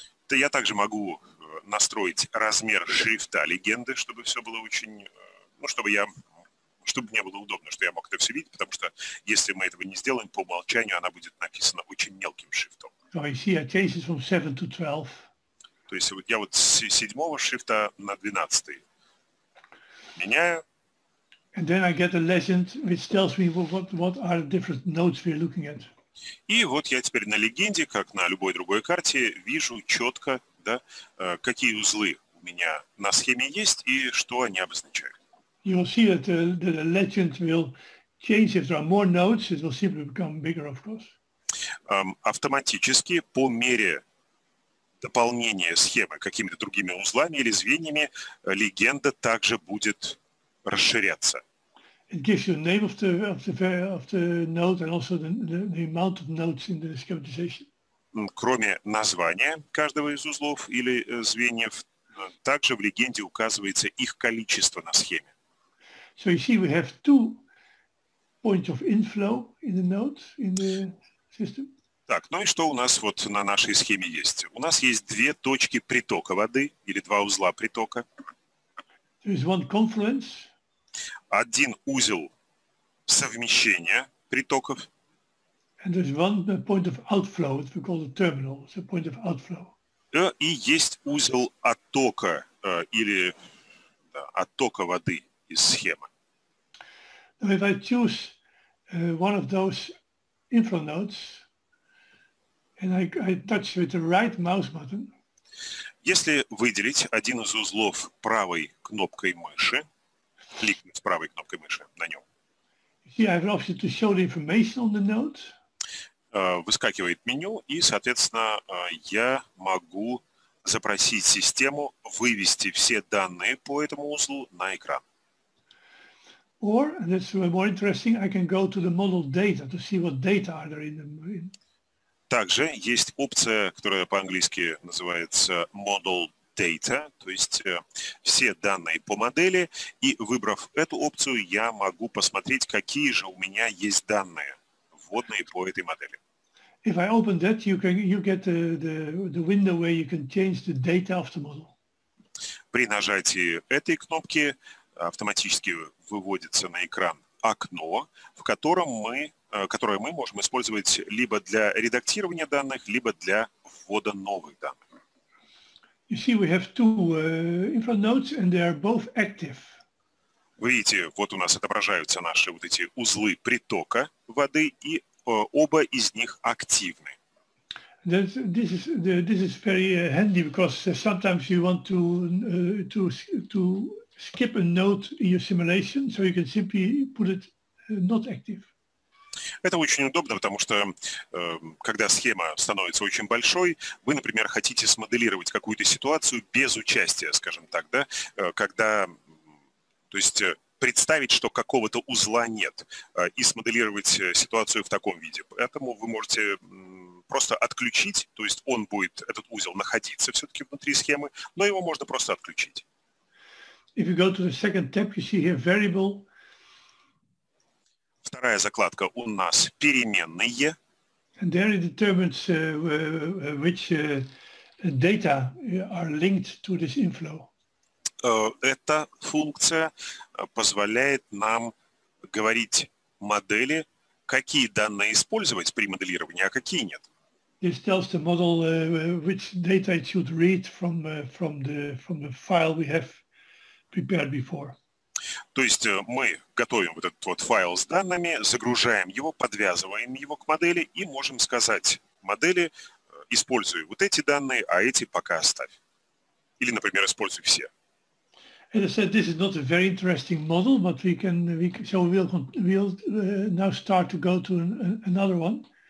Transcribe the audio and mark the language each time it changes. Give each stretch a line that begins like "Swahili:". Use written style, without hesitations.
Russian: Да, я также могу настроить размер шрифта легенды, чтобы все было очень, ну, чтобы мне было удобно, что я мог это все видеть, потому что если мы этого не сделаем, по умолчанию она будет написана очень мелким шрифтом.
English: So I see I change it from 7 to 12.
Russian: То есть вот я вот с 7 шрифта на 12 меняю.
English: And then I get a legend which tells me what are the different nodes we're looking at.
Russian: И вот я теперь на легенде, как на любой другой карте, вижу четко, да, какие узлы у меня на схеме есть и что они обозначают.
English: You will see that the legend will change if there are more nodes, it will simply become bigger, of course.
Russian: Автоматически, по мере дополнения схемы какими-то другими узлами или звеньями, легенда также будет расширяться.
English: It gives you the name of the node and also the amount of nodes in the schematization.
Russian: Кроме названия каждого из узлов или звеньев, также в легенде указывается их количество на схеме.
English: So you see we have two points of inflow in the node in the system.
Russian: Так, ну и что у нас вот на нашей схеме есть? У нас есть две точки притока воды или два узла притока.
English: There is one confluence.
Russian: Один узел совмещения притоков.
English: And there's one point of outflow, it's called a terminal, it's a point of outflow.
Russian: И есть узел оттока или оттока воды из схемы.
English: Now if I choose one of those inflow nodes and I touch with the right mouse button.
Russian: Если выделить один из узлов правой кнопкой мыши, кликнуть правой кнопкой мыши на нем.
English: See, I have an option to show the information on the node.
Russian: Выскакивает меню, и, соответственно, я могу запросить систему вывести все данные по этому узлу на экран.
English: Or, and that's more interesting, I can go to the model data to see what data are there in the...
Russian: Также есть опция, которая по-английски называется model data. Data, то есть все данные по модели, и выбрав эту опцию, я могу посмотреть, какие же у меня есть данные вводные по этой модели.
English: If I open that, you get the window where you can change the data of the model.
Russian: При нажатии этой кнопки автоматически выводится на экран окно, в котором которое мы можем использовать либо для редактирования данных, либо для ввода новых данных.
English: You see, we have two inflow nodes, and they are both active.
Russian: Вы видите, вот у нас отображаются наши вот эти узлы притока воды, и оба из них активны.
English: This is very handy because sometimes you want to skip a node in your simulation, so you can simply put it not active.
Russian: Это очень удобно, потому что когда схема становится очень большой, вы, например, хотите смоделировать какую-то ситуацию без участия, скажем так, да, когда, то есть представить, что какого-то узла нет, и смоделировать ситуацию в таком виде. Поэтому вы можете просто отключить, то есть он будет, этот узел, находиться все-таки внутри схемы, но его можно просто отключить.
English: If you go to the second tab, you see here variable.
Russian: Вторая закладка у нас переменные.
English: And there it determines which data are linked to this inflow.
Russian: Эта функция позволяет нам говорить модели, какие данные использовать при моделировании, а какие нет.
English: This tells the model which data it should read from the file we have prepared before.
Russian: То есть мы готовим вот этот вот файл с данными, загружаем его, подвязываем его к модели и можем сказать модели, используй вот эти данные, а эти пока оставь. Или, например, используй все.
English: As I said, this is not a very interesting model, but we'll now start to go to another one.